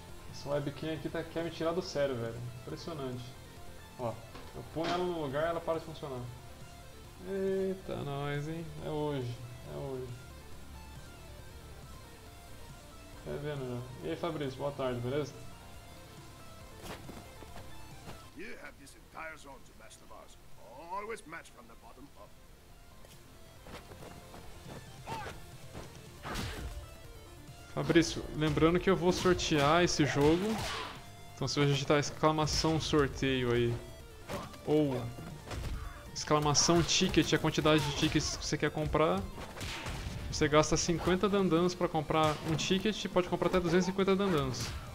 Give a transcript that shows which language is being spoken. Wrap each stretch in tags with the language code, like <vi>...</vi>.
<pt>Essa webcam aqui tá, quer me tirar do sério, velho. Impressionante. Ó, eu ponho ela no lugar e ela para de funcionar. Eita, nós, hein? É hoje. É hoje. Tá vendo já? E aí, Fabrício, boa tarde, beleza?</pt> <en>You have this entire zone to master bars. Always match from the bottom up.</en> <pt>Fabrício, lembrando que eu vou sortear esse jogo. Então se você digitar exclamação sorteio aí. Ou exclamação ticket, a quantidade de tickets que você quer comprar. Você gasta 50 dandans para comprar um ticket e pode comprar até 250 dandans.</pt>